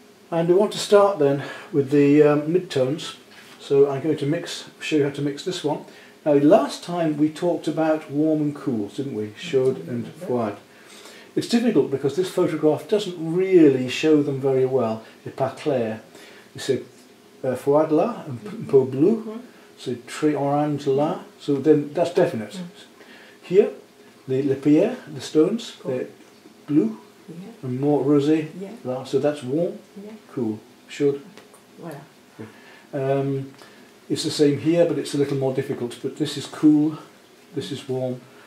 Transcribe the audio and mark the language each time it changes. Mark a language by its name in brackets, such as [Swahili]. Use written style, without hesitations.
[English] And we want to start then with the mid-tones. So I'm going to mix, show you how to mix this one. Now last time we talked about warm and cool, didn't we? Chaud and froid. It's difficult because this photograph doesn't really show them very well. [French] C'est pas clair. [English] You say [French] froid là, un peu bleu, c'est très orange là. [English] So then that's definite. Here, the pierre, the stones, they're blue and more rosé. Yeah. So that's warm, cool, chaud. [French] Voilà. [English] It's the same here, but it's a little more difficult. But this is cool, this is warm.